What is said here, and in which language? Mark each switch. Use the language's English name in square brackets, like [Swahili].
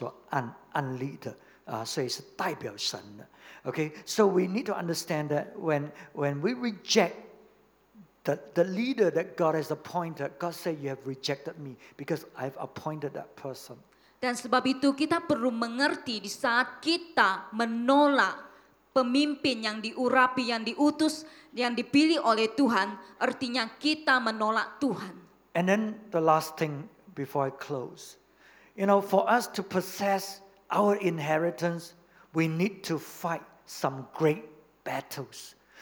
[Chinese] 这个就是为什么神说，如果他们拒绝你，他们就拒绝我，因为这个是神所安立的，所以是代表神的。 [English] Okay, so we need to understand that when we reject the leader that God has appointed, God said, "You have rejected me because I've appointed that person." [Indonesian] Dan sebab itu kita perlu mengerti di saat kita menolak pemimpin yang diurapi, yang diutus, yang dipilih oleh Tuhan, artinya kita menolak Tuhan. [English] And then the last thing before I close, you know, for us to possess our inheritance, we need to fight some great battles.